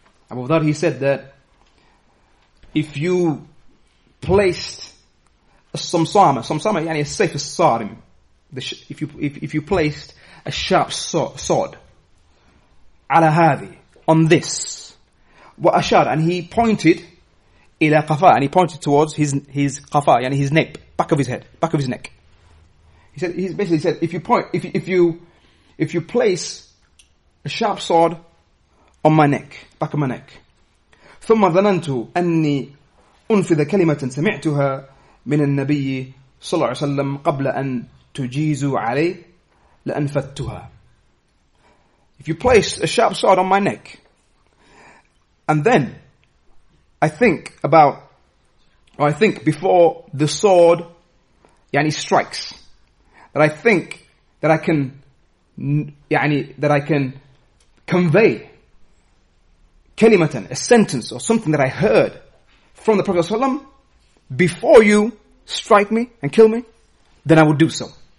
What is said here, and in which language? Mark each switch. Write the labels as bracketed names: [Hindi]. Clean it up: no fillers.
[English] Abu Dharr, he said that if you placed a samsama, يعني a safe sarim, if you placed a sharp sword, [Arabic] عَلَى هَذِي, [English] on this, [Arabic] وأشار, [English] and he pointed [Arabic] إلى قفا, [English] and he pointed towards his قفا, يعني his neck, back of his head, back of his neck. He basically said, if you place a sharp sword on my neck, [Arabic] back of my neck, ثم ظننت أني أنفذ كلمة سمعتها من النبي صلى الله عليه وسلم قبل أن تجيزوا علي لأنفذتها. [English] If you place a sharp sword on my neck, and then I think before the sword yani strikes, that I think that I can yani that I can convey kalimatan, a sentence or something that I heard from the Prophet sallam before you strike me and kill me, then I would do so.